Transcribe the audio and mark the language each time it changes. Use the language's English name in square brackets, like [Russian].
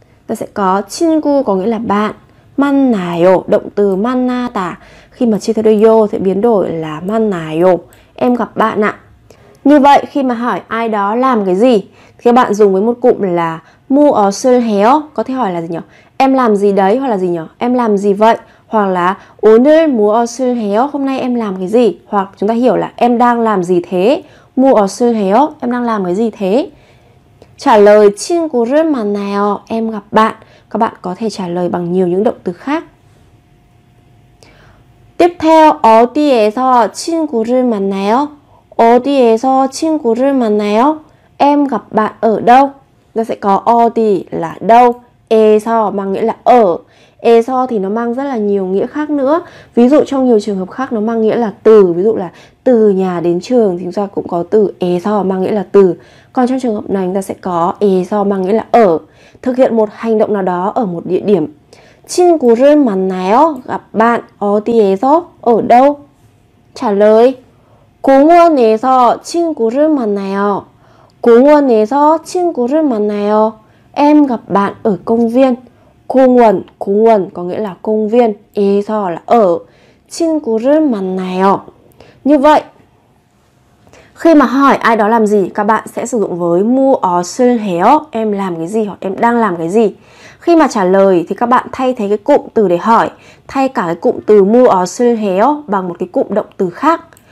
[Vietnamese] Ta sẽ có 친구 có nghĩa là bạn. 만나요, động từ 만나다. Khi mà chia theo đôi요 sẽ biến đổi là 만나요. Em gặp bạn ạ. Như vậy khi mà hỏi ai đó làm cái gì thì các bạn dùng với một cụm là [Korean] 무엇을 해요. [Vietnamese] Có thể hỏi là gì nhỉ? Em làm gì đấy hoặc là gì nhỉ? Em làm gì vậy? Hoặc là [Korean] 오늘 무엇을 해요? [Vietnamese] Hôm nay em làm cái gì? Hoặc chúng ta hiểu là em đang làm gì thế? [Korean] 무엇을 해요? [Vietnamese] Em đang làm cái gì thế? Trả lời [Korean] 친구를 만나요. [Vietnamese] Em gặp bạn. Các bạn có thể trả lời bằng nhiều những động từ khác. Tiếp theo [Korean] 어디에서 친구를 만나요? 어디에서 친구를 만나요? [Vietnamese] Em gặp bạn ở đâu? Ta sẽ có 어디 là đâu, 에서 mang nghĩa là ở. 에서 thì nó mang rất là nhiều nghĩa khác nữa. Ví dụ trong nhiều trường hợp khác nó mang nghĩa là từ. Ví dụ là từ nhà đến trường thì chúng ta cũng có từ 에서 mang nghĩa là từ. Còn trong trường hợp này chúng ta sẽ có 에서 mang nghĩa là ở. Thực hiện một hành động nào đó ở một địa điểm. [Korean] 친구를 만나요, [Vietnamese] gặp bạn. [Korean] 어디에서, [Vietnamese] ở đâu? Trả lời [Korean] 공원에서 친구를 만나요. 공원에서 친구를 만나요. [Vietnamese] Em gặp bạn ở công viên. 공원, 공원 có nghĩa là công viên. 에서 là ở. [Korean] 친구를 만나요. [Vietnamese] Như vậy, khi mà hỏi ai đó làm gì, các bạn sẽ sử dụng với [Korean] 무엇을 해요. [Vietnamese] Em làm cái gì hoặc em đang làm cái gì. Khi mà trả lời thì các bạn thay thế cái cụm từ để hỏi, thay cả cái cụm từ [Korean] 무엇을 해요 [Vietnamese] bằng một cái cụm động từ khác.